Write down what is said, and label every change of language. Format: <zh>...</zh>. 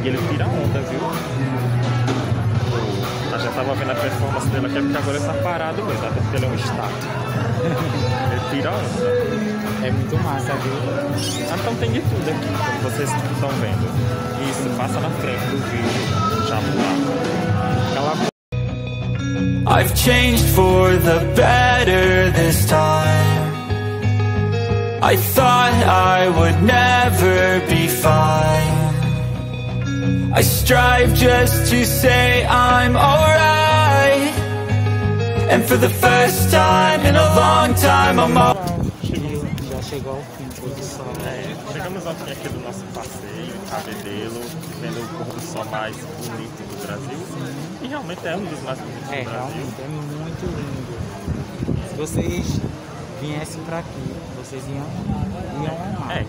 <pt>E ele tira onda, viu? A gente tava vendo a performance dele aqui, porque agora ele tá parado mesmo, até porque ele é um estátua. Ele tira onda. É muito massa, viu? Então tem de tudo aqui, como vocês estão vendo. Isso, passa na frente do vídeo, já lá.</pt> <en>I've changed for the better this time. I thought I would never be fine. I strive just to say I'm alright. And for the first time in a long time I'm all.</en> <pt>Chegamos ao fim aqui do nosso passeio em Cabedelo, vendo o pôr do sol mais bonito do Brasil. E realmente é um dos mais bonitos do Brasil. Realmente, é muito lindo. Se vocês viessem para aqui, vocês iam amar.</pt>